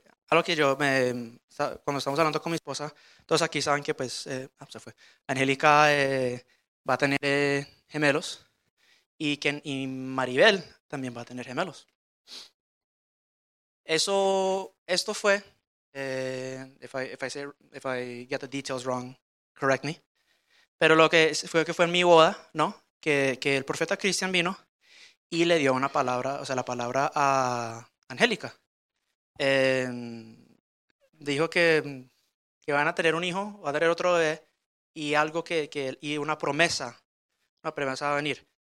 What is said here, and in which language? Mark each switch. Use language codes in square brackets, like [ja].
[es] Algo que yo, cuando estamos hablando con mi esposa, todos aquí saben que pues, se fue, Angélica va a tener gemelos y Maribel también va a tener gemelos. [en] If I get the details wrong, correct me. [es] Pero lo que fue en mi boda, ¿no? Que el profeta Cristian vino y le dio una palabra, o sea, la palabra a Angélica. Dijo que van a tener un hijo, va a tener otro bebé y una promesa va a venir.